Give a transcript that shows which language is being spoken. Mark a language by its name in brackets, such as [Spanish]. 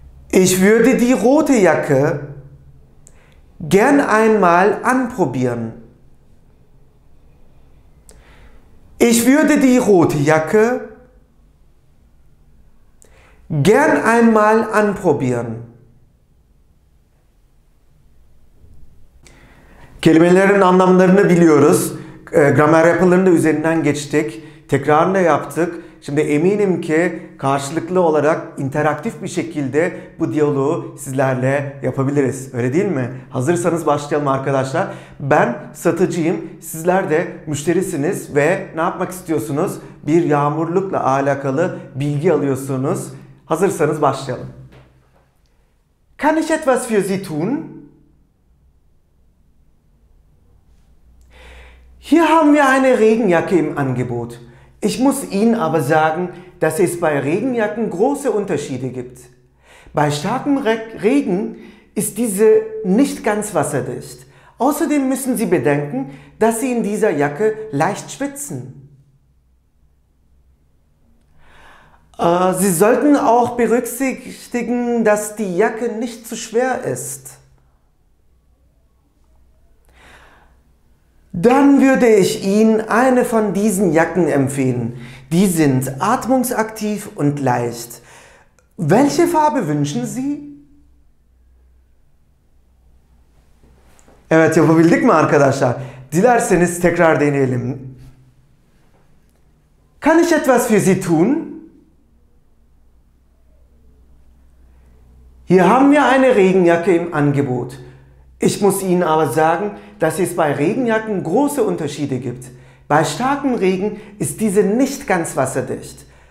[German] Ich würde die rote Jacke gern einmal anprobieren. Ich würde die rote Jacke gern einmal anprobieren. [Turkish] Kelimelerin anlamlarını biliyoruz. Gramer yapılarını da üzerinden geçtik. Tekrarını da yaptık. Şimdi eminim ki karşılıklı olarak interaktif bir şekilde bu diyaloğu sizlerle yapabiliriz. Öyle değil mi? Hazırsanız başlayalım arkadaşlar. Ben satıcıyım, sizler de müşterisiniz ve ne yapmak istiyorsunuz? Bir yağmurlukla alakalı bilgi alıyorsunuz. Hazırsanız başlayalım. [German] Kann ich etwas für Sie tun? Hier haben wir eine Regenjacke im Angebot. Ich muss Ihnen aber sagen, dass es bei Regenjacken große Unterschiede gibt. Bei starkem Regen ist diese nicht ganz wasserdicht. Außerdem müssen Sie bedenken, dass Sie in dieser Jacke leicht schwitzen. Sie sollten auch berücksichtigen, dass die Jacke nicht zu schwer ist. Dann würde ich Ihnen eine von diesen Jacken empfehlen. Die sind atmungsaktiv und leicht. Welche Farbe wünschen Sie? [Turkish] Evet, yapabildik mi arkadaşlar? Dilerseniz tekrar deneyelim. [German] Kann ich etwas für Sie tun? Hier haben wir eine Regenjacke im Angebot. Ich muss Ihnen aber sagen, dass es bei Regenjacken große Unterschiede gibt. Bei starkem Regen ist diese nicht ganz wasserdicht.